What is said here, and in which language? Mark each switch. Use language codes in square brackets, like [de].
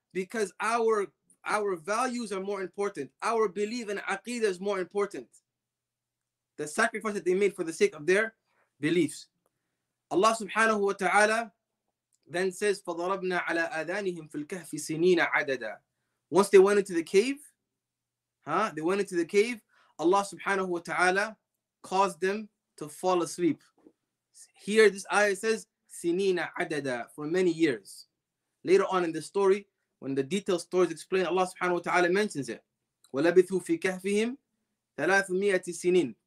[en] Because our values are more important. Our belief in aqidah is more important. The sacrifice that they made for the sake of their beliefs. Allah subhanahu wa ta'ala then says, [ar] فَضَرَبْنَا عَلَىٰ آذَانِهِمْ فِي الْكَهْفِ سِنِينَ عَدَدًا. [en] Once they went into the cave, Allah subhanahu wa ta'ala caused them to fall asleep. Here this ayah says, [ar] سِنِينَ عَدَدًا, [en] for many years. Later on in the story, when the detailed story is explained, Allah subhanahu wa ta'ala mentions it. [ar] وَلَبِثُوا فِي كَهْفِهِمْ [en] 300 years.